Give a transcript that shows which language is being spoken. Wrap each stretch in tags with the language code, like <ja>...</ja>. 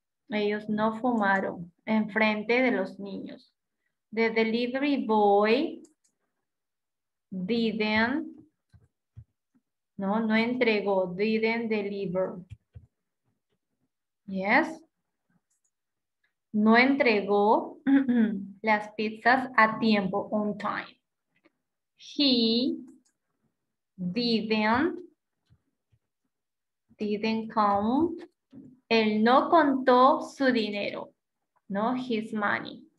<es>Ellos no fumaron en frente de los niños.</es> <en>The delivery boy didn't, no,</en> <es>no entregó,</es> <en>didn't deliver. Yes.</en> <es>No entregó las pizzas a tiempo,</es> <en>on time. He didn't count.</en> <es>Él no contó su dinero, no,</es> <en>his money.</en>